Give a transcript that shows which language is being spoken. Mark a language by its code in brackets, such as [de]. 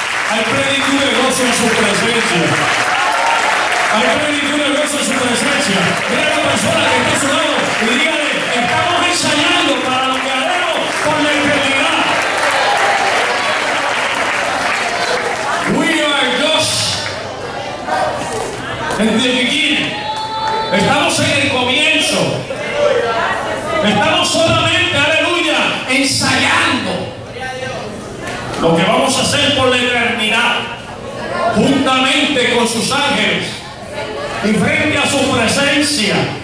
[es] Hay plenitud de gozo en su presencia. Hay plenitud de gozo en su presencia. Mira a la persona que está a su lado y dígale, estamos ensayando para lo que haremos por la eternidad. [en] We are just in the beginning. [es] Estamos en el comienzo. Estamos solamente, aleluya, ensayando lo que vamos a hacer por la eternidad, juntamente con sus ángeles y frente a su presencia.